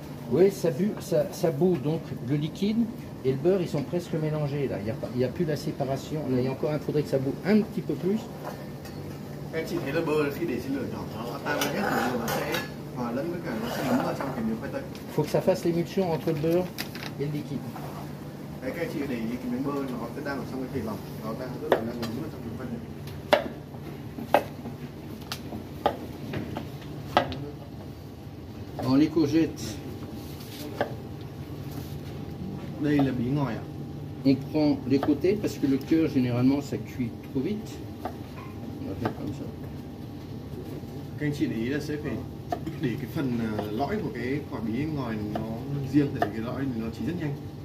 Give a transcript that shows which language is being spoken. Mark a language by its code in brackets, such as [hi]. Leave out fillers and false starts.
[fr] Oui, ça boue, donc le liquide et le beurre, ils sont presque mélangés, là. Il n'y a plus la séparation. Là, il y a encore un, faudrait que ça boue un petit peu plus. Il faut que ça fasse l'émulsion entre le beurre [vi] bên liquid. Đấy, các anh chị để ý cái miếng bơ nó đang ở trong cái thể lỏng, nó đang rất là đang ngấm ở trong cái phân này. [fr] Dans les courgettes. [vi] Đây là bí ngòi ạ. [fr] On prend les côtés parce que le cœur généralement ça cuit trop vite. On va faire comme ça. [vi] Các anh chị để ý là sẽ phải để cái phần lõi của cái quả bí ngòi nó riêng để cái lõi nó chỉ rất nhanh.